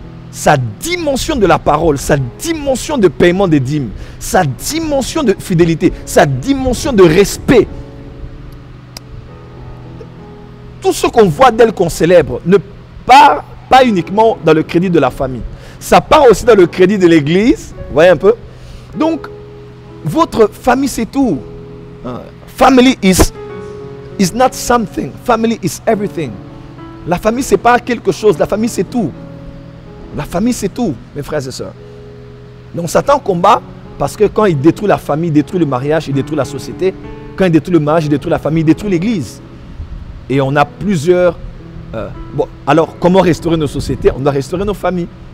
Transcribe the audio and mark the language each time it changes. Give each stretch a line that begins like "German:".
French: Sa dimension de la parole, sa dimension de paiement des dîmes, sa dimension de fidélité, sa dimension de respect, tout ce qu'on voit d'elle qu'on célèbre ne part pas uniquement dans le crédit de la famille, ça part aussi dans le crédit de l'église, vous voyez un peu. Donc, votre famille, c'est tout.
English: Family is not something. Family is everything.
French: La famille, c'est pas quelque chose. La famille, c'est tout. La famille, c'est tout, mes frères et sœurs. Donc, Satan combat parce que quand il détruit la famille, il détruit le mariage, il détruit la société. Quand il détruit le mariage, il détruit la famille, il détruit l'église. Et on a plusieurs... Alors, comment restaurer nos sociétés? On doit restaurer nos familles.